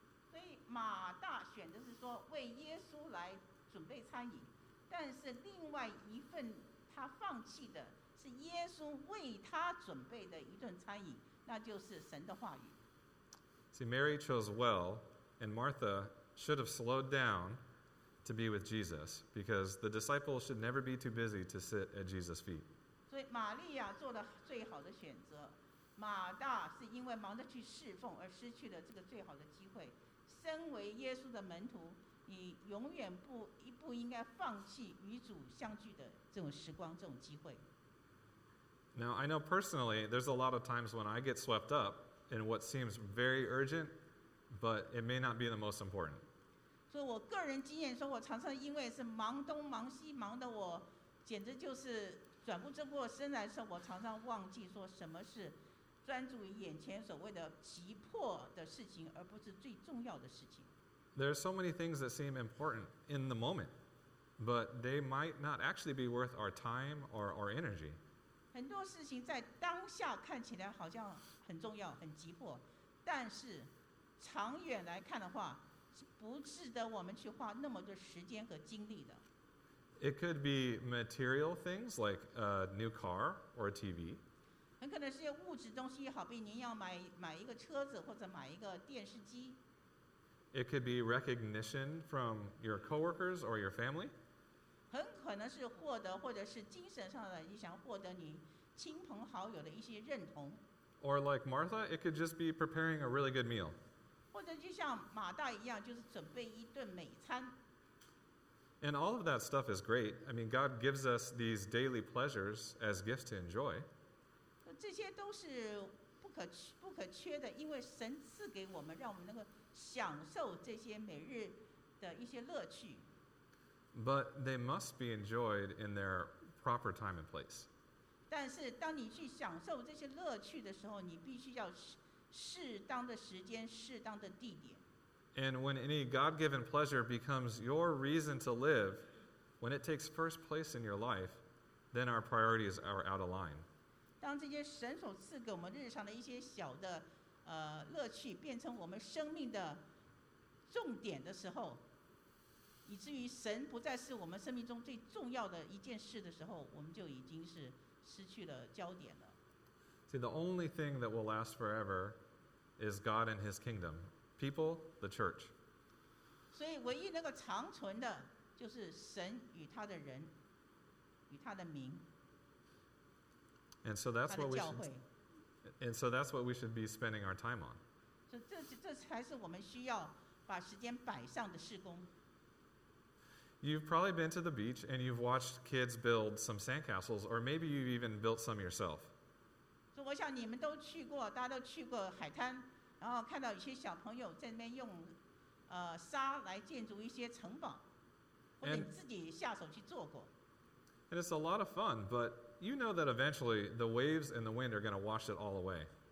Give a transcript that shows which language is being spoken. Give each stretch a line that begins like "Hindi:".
Chinese: 所以马大选的是说为耶稣来准备餐饮，但是另外一份他放弃的是耶稣为他准备的一顿餐饮，那就是神的话语。
English: See, Mary chose well, and Martha should have slowed down to be with Jesus, because the disciples should never be too busy to sit at Jesus' feet.
Chinese: 所以玛利亚做了最好的选择，马大是因为忙着去侍奉而失去了这个最好的机会。身为耶稣的门徒，你永远不应该放弃与主相聚的这种时光，这种机会。
English: Now, I know personally, there's a lot of times when I get swept up in what seems very urgent, but it may not be the most important.
Chinese: 所以我个人经验说，我常常因为是忙东忙西，忙得我简直就是转不正过身来的时候，我常常忘记说什么是专注于眼前所谓的急迫的事情，而不是最重要的事情。
English: There are so many things that seem important in the moment, but they might not actually be worth our time or our energy.
Chinese: 很多事情在当下看起来好像很重要、很急迫，但是长远来看的话，是不值得我们去花那么多时间和精力的。
English: It could be material things like a new car or a TV.
Chinese: 很可能是些物质东西，好比您要买一个车子或者买一个电视机。
English: It could be recognition from your coworkers or your family.
Chinese: 很可能是获得或者是精神上的，你想获得你亲朋好友的一些认同。
English: Or like Martha, it could just be preparing a really good meal.
Chinese: 或者就像马大一样，就是准备一顿美餐。
English: And all of that stuff is great. I mean, God gives us these daily pleasures as gifts to enjoy.
Chinese: 这些都是不可缺的，因为神赐给我们，让我们能够享受这些每日的一些乐趣。
English: But they must be enjoyed in their proper time and place.
Chinese: 但是当你去享受这些乐趣的时候，你必须要适当的时间，适当的地点。
English: And when any God-given pleasure becomes your reason to live, when it takes first place in your life, then our priorities are out of line.
Chinese: 当这些神所赐给我们日常的一些小的乐趣变成我们生命的重点的时候，以至于神不再是我们生命中最重要的一件事的时候，我们就已经是失去了焦点了。
English: See, the only thing that will last forever is God and His kingdom. People, the church.
Chinese: 所以唯一能够长存的就是神与他的人，与他的名。
English: And so that's what we should. And so that's what we should be spending our time on.
Chinese: 所以这才是我们需要把时间摆上的事工。
English: You've probably been to the beach and you've watched kids build some sandcastles, or maybe you've even built some yourself.
Chinese: 所以我想你们都去过，大家都去过海滩。然后看到有些小朋友在那边用沙来建筑一些城堡，或者你自己下手去做过。
English: And it's a lot of fun, but you know that eventually the waves and the wind are going to wash it all away.